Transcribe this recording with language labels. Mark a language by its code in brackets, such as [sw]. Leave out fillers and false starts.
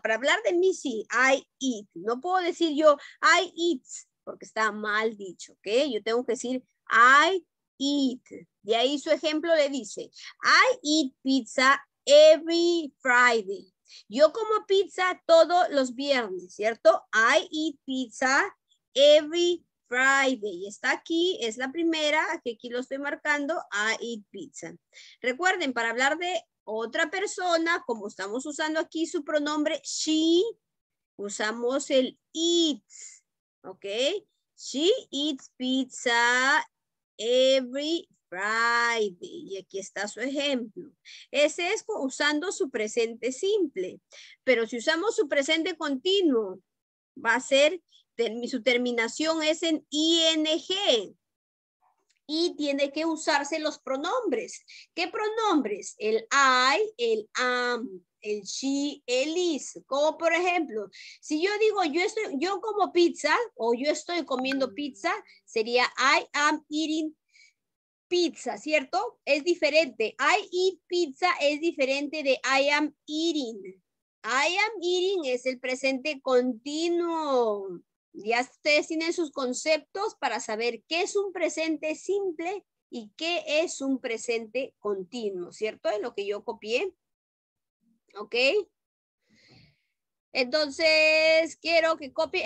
[es] Para hablar de mí, sí, [en] I eat. [es] No puedo decir yo [en] I eats, [es] porque está mal dicho, ¿ok? Yo tengo que decir [en] I eat. [es] De ahí su ejemplo le dice, [en] I eat pizza every Friday. [es] Yo como pizza todos los viernes, ¿cierto? [en] I eat pizza every Friday. [es] Y está aquí, es la primera, que aquí lo estoy marcando, [en] I eat pizza. [es] Recuerden, para hablar de otra persona, como estamos usando aquí su pronombre, she, usamos el eats, ¿ok? [en] She eats pizza every Friday. [es] Y aquí está su ejemplo. Ese es usando su presente simple. Pero si usamos su presente continuo, va a ser, su terminación es en ING. Y tiene que usarse los pronombres. ¿Qué pronombres? El I, el am, el she, el is. Como por ejemplo, si yo digo yo como pizza o yo estoy comiendo pizza, sería [en] I am eating pizza, [es] ¿cierto? Es diferente. [en] I eat pizza [es] es diferente de [en] I am eating. I am eating [es] es el presente continuo. Ya ustedes tienen sus conceptos para saber qué es un presente simple y qué es un presente continuo, ¿cierto? Es lo que yo copié. ¿Ok? Entonces, quiero que copien.